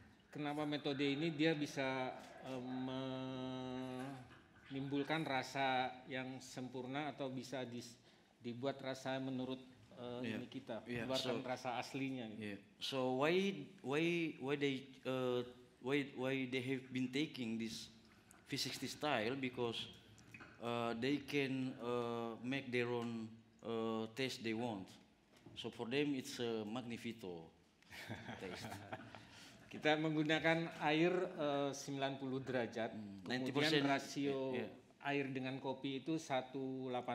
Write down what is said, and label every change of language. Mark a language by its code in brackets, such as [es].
[id] Kenapa metode ini dia bisa menimbulkan rasa yang sempurna atau bisa dibuat rasa menurut ini kita, mengeluarkan rasa aslinya. [en] So why they have been taking this V60 style, because they can make their own taste they want. So for them it's a magnifico taste. [id] Kita menggunakan air 90 derajat, 90% kemudian rasio air dengan kopi itu 1:18.